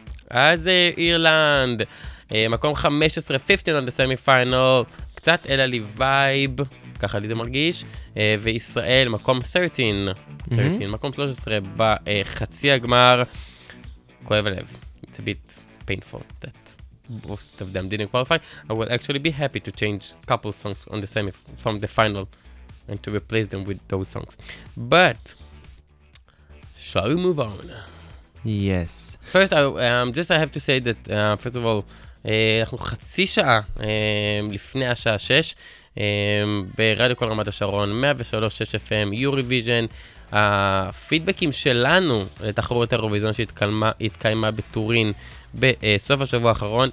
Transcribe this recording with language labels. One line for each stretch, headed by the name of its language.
Hebrew: אז אירלנד, מקום 15,
English: 15 on the semi-final,
Hebrew: קצת אלה לי וייב, ככה לי זה מרגיש, וישראל, מקום 13, מקום 13 בחצי הגמר, כואב הלב,
English: it's a bit painful that most of them didn't qualify. I will actually be happy to change a couple songs on the semi from the final and to replace them with those songs. But, shall we move on? Yes. First, I have to say that, first of all,
Hebrew: אנחנו חצי שעה לפני השעה 6, ברדיו כל רמת השרון, 103.6 FM, Eurovision, הפידבקים שלנו לתחרות האירוויזיון שהתקיימה בטורין בסוף השבוע האחרון.